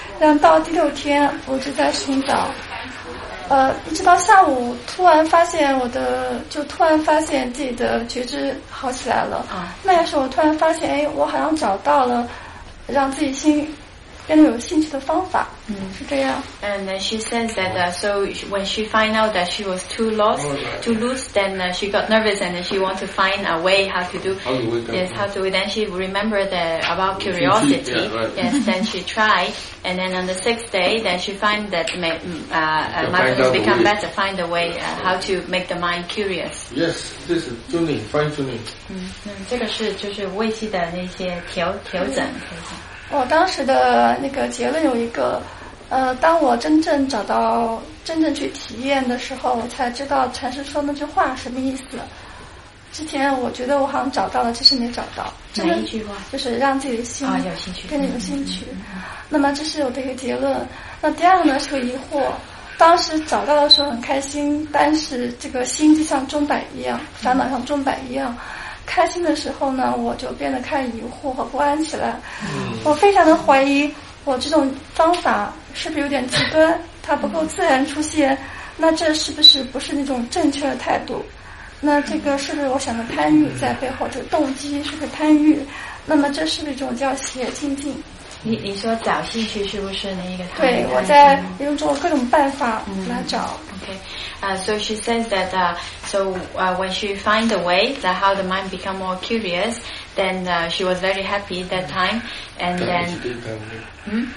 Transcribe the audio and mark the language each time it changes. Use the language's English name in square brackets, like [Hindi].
[Chinese] 然后到第六天我就在寻找，一直到下午突然发现自己的觉知好起来了。那时候我突然发现，哎，我好像找到了让自己心变得有兴趣的方法，是这样。 [English] And she says that so when she find out that she was too lost, too loose, then she got nervous and she want to find a way how to do. Yes, how to. Then she remember the about curiosity. Yes, then she tried. And then on the sixth day, then she find that mindfulness become better. Find a way how to make the mind curious. Yes, this is tuning, fine tuning. [Chinese] 这个是就是微细的那些调整。我当时的那个结论有一个，当我真正找到、真正去体验的时候，我才知道禅师说那句话什么意思。之前我觉得我好像找到了，其实没找到。哪一句话？就是让自己的心啊有兴趣，变得有兴趣。那么这是我的一个结论。那第二个呢是个疑惑。当时找到的时候很开心，但是这个心就像钟摆一样，烦恼像钟摆一样。开心的时候呢，我就变得开始疑惑和不安起来。我非常的怀疑我这种方法是不是有点极端，它不够自然出现，那这是不是不是那种正确的态度？那这个是不是我想的贪欲在背后，这个动机是不是贪欲？那么这是不是一种叫邪清净？你说找兴趣是不是那一个？对，我在用这种各种办法来找。 [English] So she says that when she find a way that how the mind become more curious, then she was very happy at that time, and then.